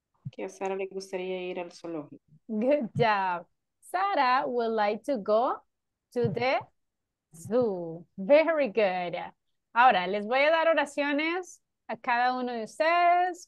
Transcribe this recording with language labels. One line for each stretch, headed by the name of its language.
Spanish: Que a Sarah le gustaría ir al zoológico.
English: Good job. Sara would like to go to the zoo. Very good.
Spanish: Ahora, les voy a dar oraciones a cada uno de ustedes.